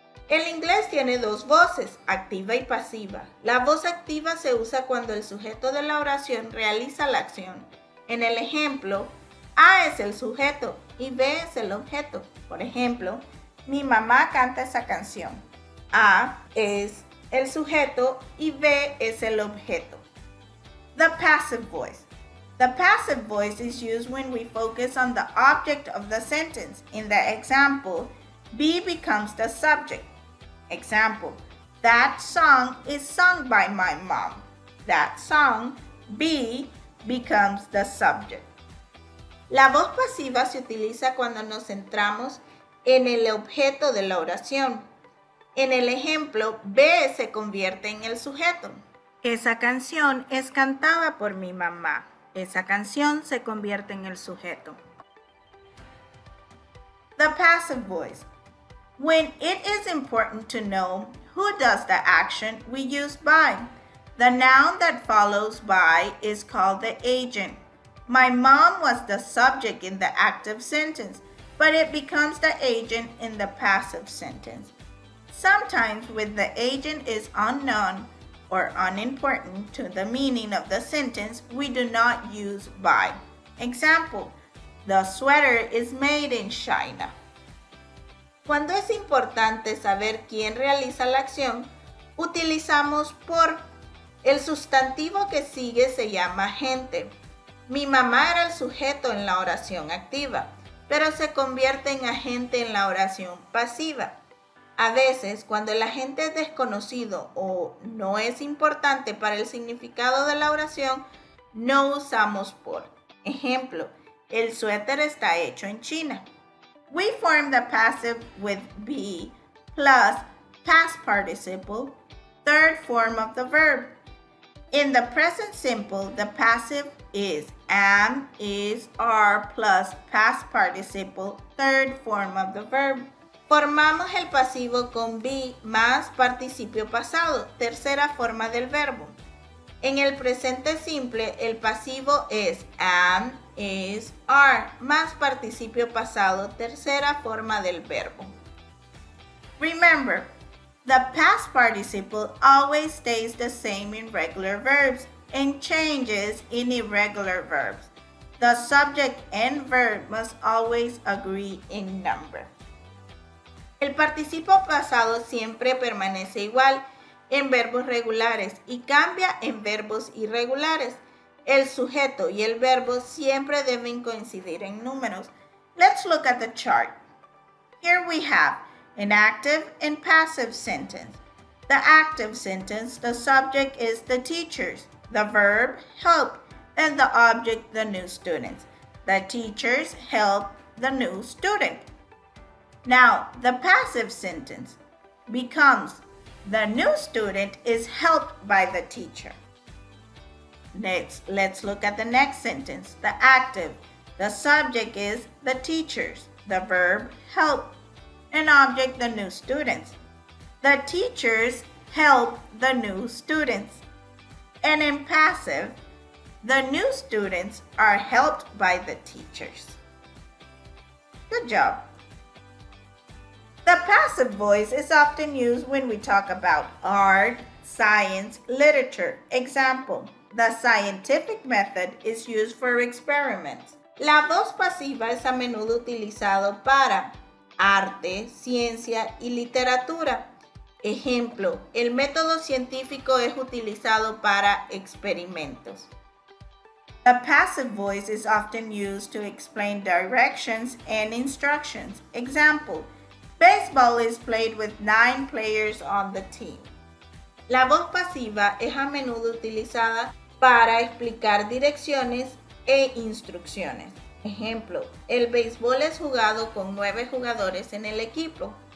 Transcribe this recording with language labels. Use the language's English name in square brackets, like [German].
[Spanish] El inglés tiene dos voces, activa y pasiva. La voz activa se usa cuando el sujeto de la oración realiza la acción. En el ejemplo, A es el sujeto y B es el objeto. Por ejemplo, mi mamá canta esa canción. A es el sujeto y B es el objeto. [English] The passive voice. The passive voice is used when we focus on the object of the sentence. In the example, B becomes the subject. Example, that song is sung by my mom. That song, B, becomes the subject. La voz pasiva se utiliza cuando nos centramos en el objeto de la oración. En el ejemplo, B se convierte en el sujeto. Esa canción es cantada por mi mamá. Esa canción se convierte en el sujeto. The passive voice. When it is important to know who does the action, we use by. The noun that follows by is called the agent. My mom was the subject in the active sentence, but it becomes the agent in the passive sentence. Sometimes when the agent is unknown, or unimportant to the meaning of the sentence, we do not use by. Example, the sweater is made in China. [Spanish] Cuando es importante saber quién realiza la acción, utilizamos por. El sustantivo que sigue se llama gente. Mi mamá era el sujeto en la oración activa, pero se convierte en agente en la oración pasiva. A veces, cuando el agente es desconocido o no es importante para el significado de la oración, no usamos por. Ejemplo, el suéter está hecho en China. [English] We form the passive with be plus past participle, third form of the verb. In the present simple, the passive is am, is, are plus past participle, third form of the verb. [Spanish] Formamos el pasivo con be más participio pasado, tercera forma del verbo. En el presente simple, el pasivo es am, is, are, más participio pasado, tercera forma del verbo. [English] Remember, the past participle always stays the same in regular verbs and changes in irregular verbs. The subject and verb must always agree in number. [Spanish] El participio pasado siempre permanece igual en verbos regulares y cambia en verbos irregulares. El sujeto y el verbo siempre deben coincidir en números. [English] Let's look at the chart. Here we have An active and passive sentence. The active sentence, the subject is the teachers, the verb help, and the object the new students. The teachers help the new student. Now, the passive sentence becomes the new student is helped by the teacher. Next, let's look at the next sentence, the active. The subject is the teachers, the verb help, an object the new students. The teachers help the new students. And in passive, the new students are helped by the teachers. Good job. The passive voice is often used when we talk about art, science, literature. Example, the scientific method is used for experiments. [Spanish] La voz pasiva es a menudo utilizado para arte, ciencia y literatura. Ejemplo, el método científico es utilizado para experimentos. [English] The passive voice is often used to explain directions and instructions. Example, baseball is played with 9 players on the team. [Spanish] La voz pasiva es a menudo utilizada para explicar direcciones e instrucciones. Ejemplo, el béisbol es jugado con 9 jugadores en el equipo.